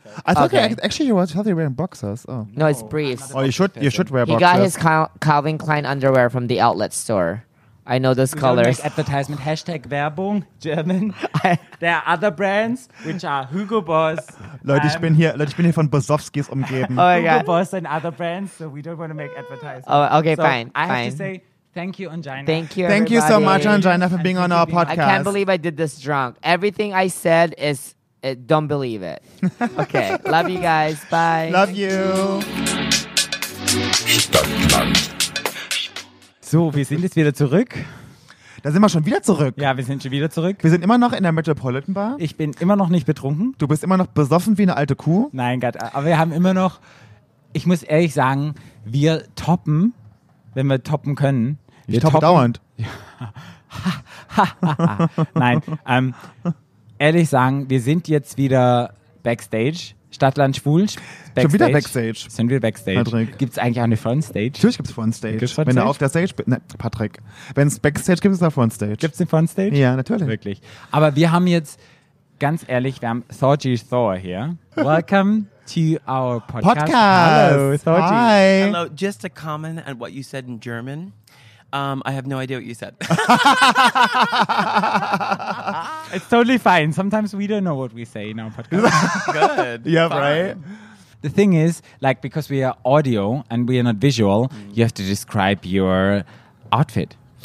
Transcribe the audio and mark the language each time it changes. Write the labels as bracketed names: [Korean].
[English] I thought actually you were wearing boxers. Oh no, it's briefs. Oh, you should wear boxers. He got his Calvin Klein underwear from the outlet store. I know those colors. Advertisement hashtag Werbung German. There are other brands which are Hugo Boss. [German] Leute, ich bin hier von Bosowskis umgeben. [English] Oh Hugo Boss and other brands, so we don't want to make advertisements. Oh, okay, so fine. I have fine. To say thank you, Angina. Thank you. Thank everybody. You so much, Angina, for being on our podcast. I can't believe I did this drunk. Everything I said is don't believe it. Okay, love you guys. Bye. Love you. [German] So, wir sind jetzt wieder zurück. Da sind wir schon wieder zurück. Ja, wir sind schon wieder zurück. Wir sind immer noch in der Metropolitan Bar. Ich bin immer noch nicht betrunken. Du bist immer noch besoffen wie eine alte Kuh. Nein, Gott, aber wir haben immer noch, ich muss ehrlich sagen, wir toppen, wenn wir toppen können. Ich toppe dauernd. Nein, ehrlich sagen, wir sind jetzt wieder backstage. Stadtland schwul, backstage. Schon wieder backstage. Sind wir backstage. Patrick. Gibt's eigentlich auch eine Frontstage? Natürlich gibt's Frontstage. Gibt's Frontstage? Wenn du auf der Stage bist. Ne, Patrick. Wenn es backstage gibt, ist es auch Frontstage. Gibt's eine Frontstage? Ja, natürlich. Wirklich. Aber wir haben jetzt, ganz ehrlich, wir haben Thorgy Thor hier. [English] Welcome to our podcast. Hello, Thorgy. Hi. Hello, just a comment on what you said in German. I have no idea what you said. It's totally fine. Sometimes we don't know what we say in our podcast. Good. Yeah, fine. Right? The thing is, like, because we are audio and we are not visual, you have to describe your outfit.